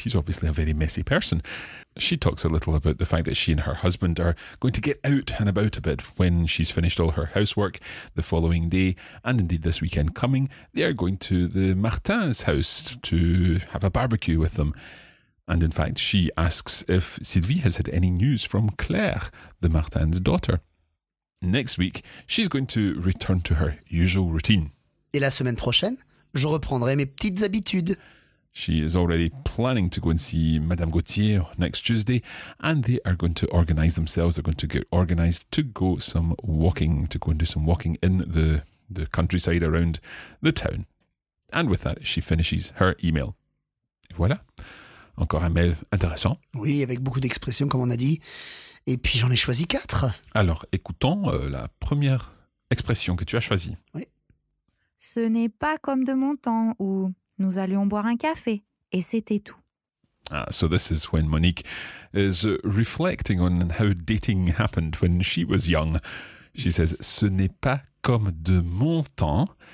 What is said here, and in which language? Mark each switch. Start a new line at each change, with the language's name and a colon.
English: He's obviously a very messy person. She talks a little about the fact that she and her husband are going to get out and about a bit when she's finished all her housework the following day, and indeed this weekend coming, they are going to the Martins' house to have a barbecue with them. And in fact, she asks if Sylvie has had any news from Claire, the Martin's daughter. Next week, she's going to return to her usual routine.
French: Et la semaine prochaine, je reprendrai mes petites habitudes.
English: She is already planning to go and see Madame Gauthier next Tuesday, and they are going to organise themselves. They're going to get organised to go some walking, to go and do some walking in the countryside around the town. And with that, she finishes her email.
French: Et voilà. Encore un mail intéressant. Oui, avec beaucoup d'expressions, comme on a dit. Et puis j'en ai choisi quatre. Alors, écoutons la première expression que tu as choisie. Oui. Ce n'est pas comme de mon temps où nous allions boire un café et c'était tout.
English: Ah, so this is when Monique is reflecting on how dating happened when she was young. She says,
French: ce n'est pas comme de mon temps.